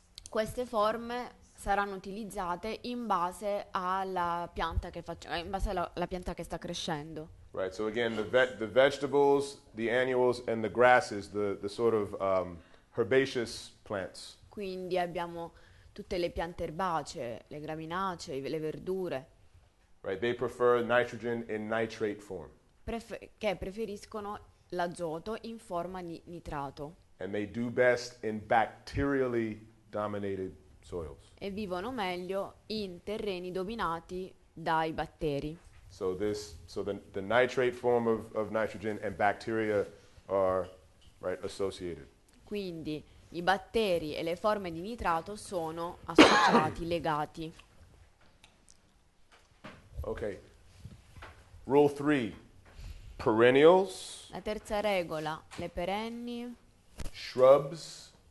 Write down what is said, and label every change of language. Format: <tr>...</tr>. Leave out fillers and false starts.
<it>Queste forme saranno utilizzate in base alla pianta che in base alla pianta che sta crescendo.</it> <en>Right, so again, the vegetables, the annuals, and the grasses, the sort of herbaceous plants.</en> <it>Quindi abbiamo tutte le piante erbacee, le graminacee, le verdure.</it> <en>Right, they prefer nitrogen in nitrate form.</en> <it>Che preferiscono l'azoto in forma di nitrato.</it> <en>And they do best in bacterially dominated soils.</en> <it>E vivono meglio in terreni dominati dai batteri.</it> <en>So the nitrate form of nitrogen and bacteria are right associated.</en> <it>Quindi i batteri e le forme di nitrato sono associati, legati.</it> <en>Okay. Rule three. Perennials.</en> <it>La terza regola, le perenni.</it> <en>Shrubs.</en>